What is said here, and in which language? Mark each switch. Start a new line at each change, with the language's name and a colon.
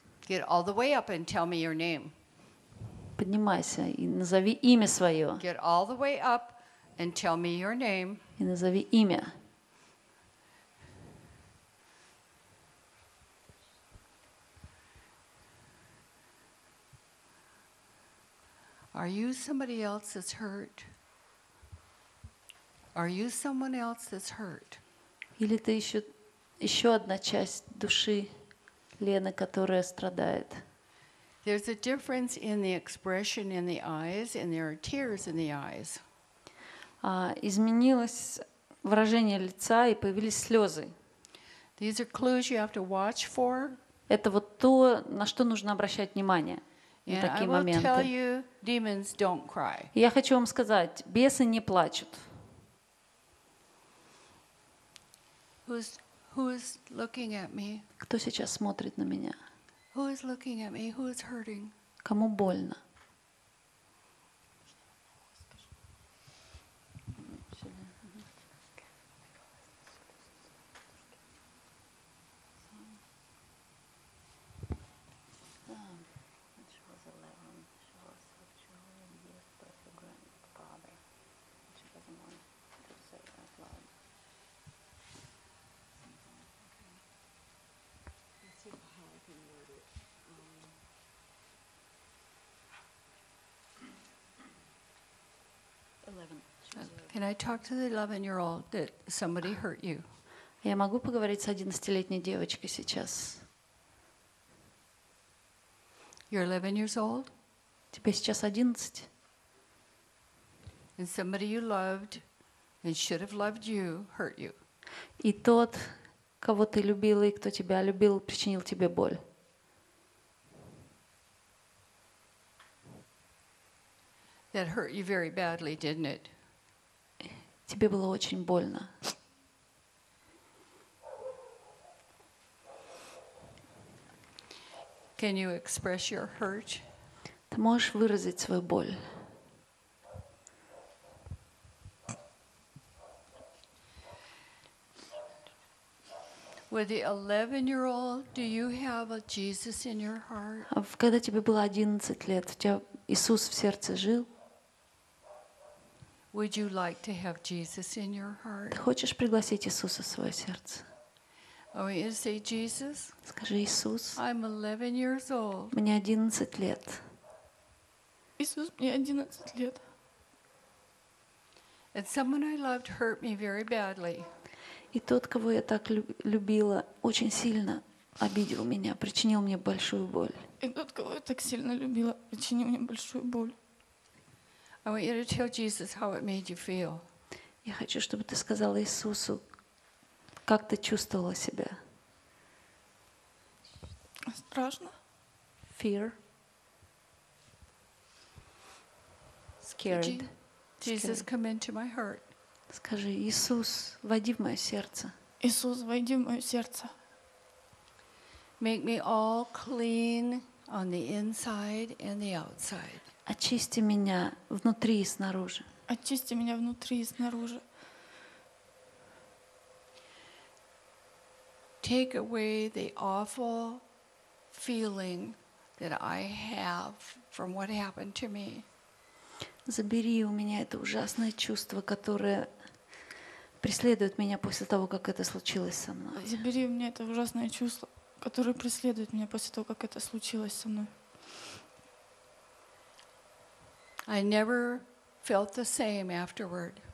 English: Get all the way up and tell me your name.
Russian: Поднимайся и назови имя свое.
English: Get all the way up and tell me your name.
Russian: И назови имя.
English: Are you somebody else that's hurt? Are you someone else that's hurt?
Russian: Или ты ещё одна часть души Лены, которая страдает?
English: There's a difference in the expression in the eyes, and there are tears in the eyes.
Russian: Изменилось выражение лица и появились слёзы.
English: These are clues you have to watch for.
Russian: Это вот то, на что нужно обращать внимание.
English: And I will tell you, demons don't cry.
Russian: Я хочу вам сказать, бесы не плачут.
English: Who's looking at me?
Russian: Кто сейчас смотрит на меня?
English: Who is looking at me? Who is hurting?
Russian: Кому больно?
English: Can I talk to the 11-year-old that somebody hurt you?
Russian: Я могу поговорить с 11-летней девочкой сейчас.
English: You're 11 years old?
Russian: Тебе сейчас 11.
English: And somebody you loved and should have loved you hurt you.
Russian: И тот, кого ты любила и кто тебя любил, причинил тебе боль.
English: That hurt you very badly, didn't it?
Russian: Тебе было очень больно.
English: Can you express your hurt?
Russian: Ты можешь выразить свою боль?
English: With the 11-year-old, do you have a Jesus in your heart?
Russian: Когда тебе было 11 лет, у тебя Иисус в сердце жил?
English: Would you like to have Jesus in your heart?
Russian: Ты хочешь пригласить Иисуса в своё сердце?
English: Oh, you say Jesus?
Russian: Скажи Иисус.
English: I'm 11 years old.
Russian: Мне 11 лет. Иисус, мне 11 лет.
English: And someone I loved hurt me very badly.
Russian: И тот, кого я так любила, очень сильно обидел меня, причинил мне большую боль. И тот, кого я так сильно любила, причинил мне большую боль.
English: I want you to tell Jesus how it made you feel.
Russian: Я хочу, чтобы ты сказала Иисусу, как ты чувствовала себя. Страшно.
English: Fear. Scared. Jesus, come into my heart.
Russian: Скажи, Иисус, войди в мое сердце. Иисус, войди в мое сердце.
English: Make me all clean on the inside and the outside.
Russian: Очисти меня внутри и снаружи. Очисти меня внутри и снаружи.
English: Take away the awful feeling that I have from what happened to me.
Russian: Забери у меня это ужасное чувство, которое преследует меня после того, как это случилось со мной. Забери у меня это ужасное чувство, которое преследует меня после того, как это случилось со мной.
English: I never felt the same afterward.